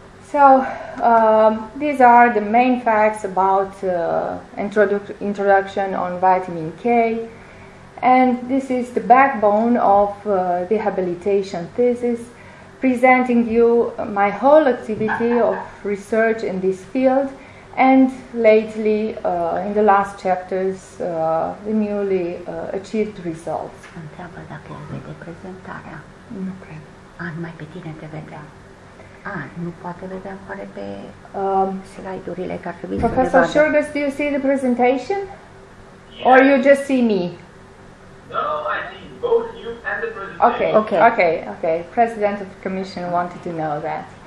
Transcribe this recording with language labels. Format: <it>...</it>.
<en>So these are the main facts about introduction on vitamin K, and this is the backbone of rehabilitation thesis, presenting you my whole activity of research in this field, and lately, in the last chapters, the newly achieved results.</en> <ro>Întreabă dacă el vede prezentarea. Nu cred. Ah, numai pe tine te vedea. Nu poate vedea care pe slide-urile care trebuie să le vadă.</ro> <en>Professor Shurgas, do you see the presentation? Yeah. Or you just see me? No, I see both you and the president. Okay. President of the Commission wanted to know that.</en>